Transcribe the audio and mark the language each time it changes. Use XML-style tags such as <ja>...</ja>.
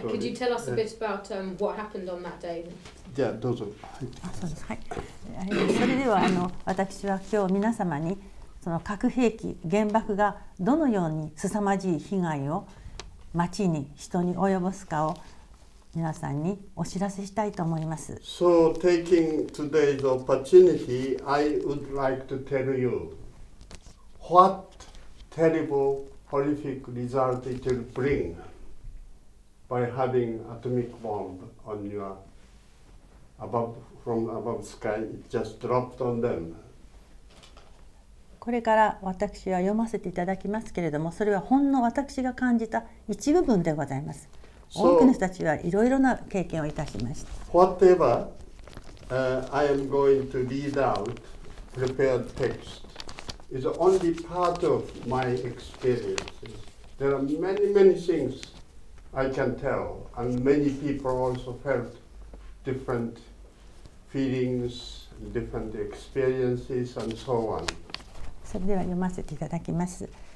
<en>Could you tell us a bit about what happened on that day?</en> <ja>Yeah, どうぞ。あ、そうです。はい。それでは私は今日皆様に核兵器、原爆がどのように凄まじい被害を町に人に及ぼすかを皆さんにお知らせしたいと思います。</ja> <en>So taking today's opportunity, I would like to tell you what terrible, horrific result it will bring by having atomic bomb on your above from above sky. It just dropped on them.</en> <ja>これから私は読ませていただきますけれども、それはほんの私が感じた一部分でございます。多くの人たちはいろいろな経験をいたしました。</ja> <en>Whatever, I am going to read out prepared text is only part of my experiences. There are many, many things I can tell, and many people also felt different feelings, different experiences, and so on.</en> <ja>それでは読ませていただきます。</ja>